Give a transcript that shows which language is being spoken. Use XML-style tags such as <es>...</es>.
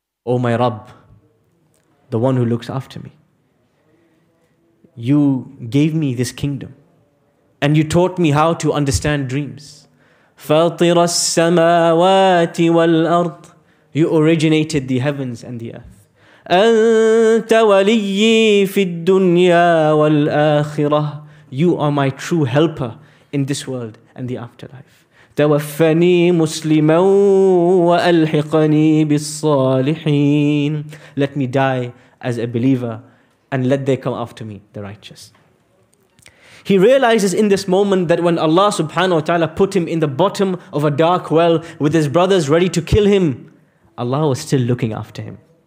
<en>Oh my Rabb, the one who looks after me. You gave me this kingdom and you taught me how to understand dreams.</en> <ar>فاطر السماوات والأرض.</ar> <en>You originated the heavens and the earth.</en> <ar>أنت وليي في الدنيا والآخرة.</ar> <en>You are my true helper in this world and the afterlife.</en> <ar>توفني مسلما وألحقني بالصالحين.</ar> <en>Let me die as a believer and let they come after me, the righteous. He realizes in this moment that when Allah subhanahu wa ta'ala put him in the bottom of a dark well with his brothers ready to kill him, Allah was still looking after him.</en>